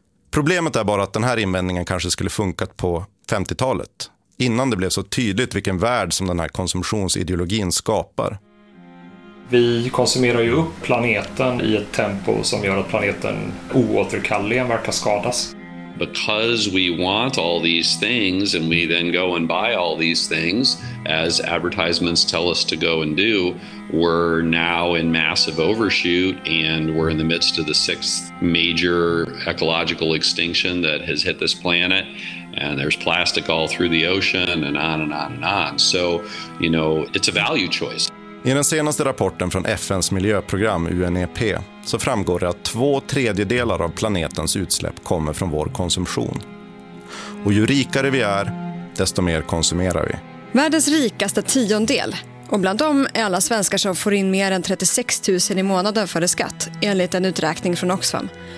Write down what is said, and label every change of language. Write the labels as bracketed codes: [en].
[sv] Problemet är bara att den här invändningen kanske skulle funkat på 50-talet, innan det blev så tydligt vilken värld som den här konsumtionsideologin skapar. Vi konsumerar ju upp planeten i ett tempo som gör att planeten oåterkalleligen verkar skadas. [en] Because we want all these things and we then go and buy all these things as advertisements tell us to go and do, we're now in massive overshoot and we're in the midst of the sixth major ecological extinction that has hit this planet and there's plastic all through the ocean and on and on and on. So, you know, it's a value choice. [sv] I den senaste rapporten från FNs miljöprogram UNEP så framgår det att 2/3 av planetens utsläpp kommer från vår konsumtion. Och ju rikare vi är, desto mer konsumerar vi. Världens rikaste tiondel, och bland dem är alla svenskar som får in mer än 36 000 i månaden före skatt, enligt en uträkning från Oxfam.